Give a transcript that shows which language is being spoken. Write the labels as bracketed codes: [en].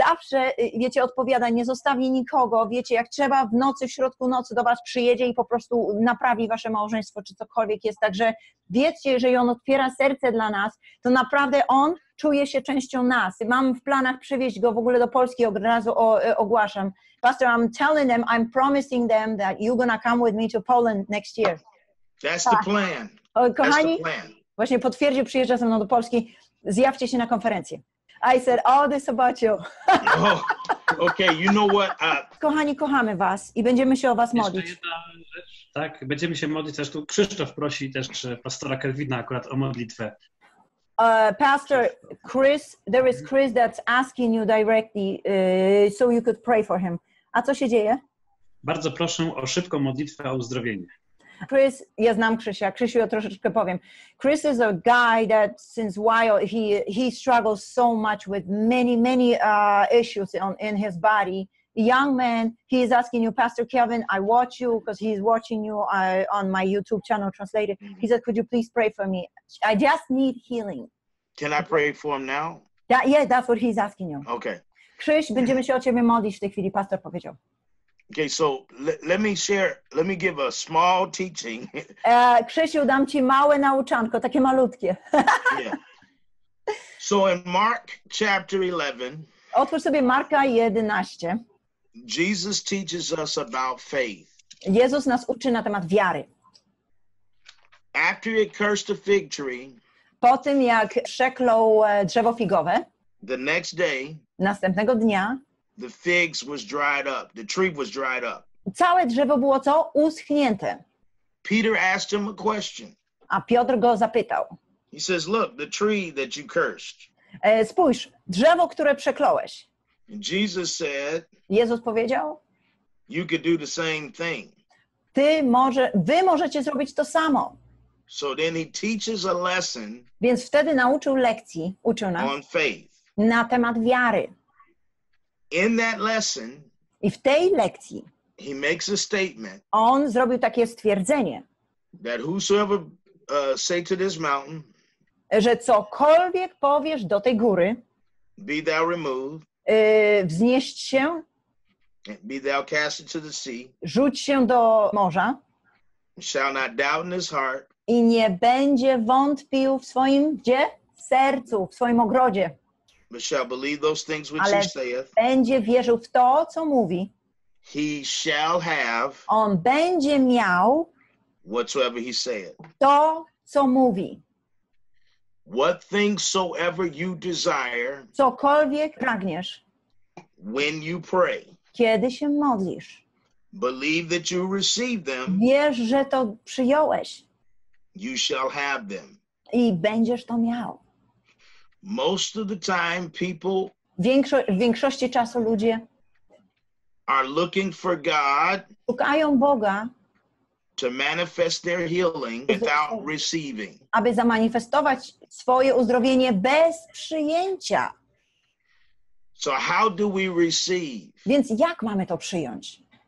[pl] Zawsze, wiecie, odpowiada, nie zostawi nikogo, wiecie, jak trzeba w nocy, w środku nocy do was przyjedzie i po prostu naprawi wasze małżeństwo, czy cokolwiek jest. Także wiecie, jeżeli on otwiera serce dla nas, to naprawdę on czuje się częścią nas. Mam w planach przywieźć go w ogóle do Polski, od razu ogłaszam. [en] Pastor, I'm telling them, I'm promising them that you're gonna come with me to Poland next year. That's the plan. [pl] O, kochani, [en] that's the plan. [pl] Właśnie potwierdził, przyjeżdża ze mną do Polski. Zjawcie się na konferencję. [en] I said, all this about you. Okay, you know what? [pl] Kochani, kochamy was i będziemy się o was modlić. Tak, będziemy się modlić. Też tu Krzysztof prosi też pastora Kelvina akurat o modlitwę. [en] Pastor Chris, there is Chris that's asking you directly, so you could pray for him. [pl] A co się dzieje? Bardzo proszę o szybką modlitwę o uzdrowienie. Chris, ja znam Krzysia, Krzysiu ja troszeczkę powiem. [en] Chris is a guy that since while he struggles so much with many issues in his body. Young man, he is asking you, Pastor Kelvin, I watch you because he's watching you on my YouTube channel translated. He said, could you please pray for me? I just need healing. Can I pray for him now? Yeah, that's what he's asking you. Okay. [pl] Krzyś, będziemy się o ciebie modlić w tej chwili, pastor powiedział. [en] Okay, so let me share, let me give a small teaching. [pl] Krzysiu, dam ci małe nauczanko, takie malutkie. Yeah. [en] So in Mark chapter 11. [pl] Otwórz sobie Marka 11. [en] Jesus teaches us about faith. [pl] Jezus nas uczy na temat wiary. [en] After he cursed the fig tree, [pl] po tym jak przeklął drzewo figowe, [en] the next day, [pl] następnego dnia, [en] the figs was dried up. The tree was dried up. [pl] Całe drzewo było co? Uschnięte. [en] Peter asked him a question. [pl] A Piotr go zapytał. [en] He says, "Look, the tree that you cursed." [pl] Spójrz, drzewo, które przekląłeś. [en] Jesus said, [pl] Jezus powiedział, [en] You could do the same thing. [pl] Wy możecie zrobić to samo. [en] So then he teaches a lesson. [pl] Więc wtedy nauczył lekcji, uczył nas. [en] On faith. [pl] Na temat wiary. [en] In that lesson. [pl] I w tej lekcji. [en] He makes a statement. [pl] On zrobił takie stwierdzenie. [en] That whosoever say to this mountain. [pl] Że cokolwiek powiesz do tej góry. [en] Be thou removed. [pl] Wznieść się. [en] Be thou cast into the sea. [pl] Rzuć się do morza. [en] Shall not doubt in his heart. [pl] I nie będzie wątpił w swoim gdzie? Sercu, w swoim ogrodzie. [en] But shall believe those things which [pl] Ale [en] he saith. [pl] Będzie wierzył w to, co mówi. [en] He shall have. [pl] On będzie miał. [en] Whatsoever he saith. [pl] To, co mówi. [en] What things soever you desire. [pl] Cokolwiek pragniesz. [en] When you pray. [pl] Kiedy się modlisz. [en] Believe that you receive them. [pl] Wierz, że to przyjąłeś. [en] You shall have them. [pl] I będziesz to miał. [en] Most of the time people. [pl] W większości czasu ludzie. [en] Are looking for God. [pl] Szukają Boga. [en] To manifest their healing without receiving. [pl] Aby zamanifestować swoje uzdrowienie bez przyjęcia. [en] So how do we receive? [pl] Więc jak mamy to przyjąć?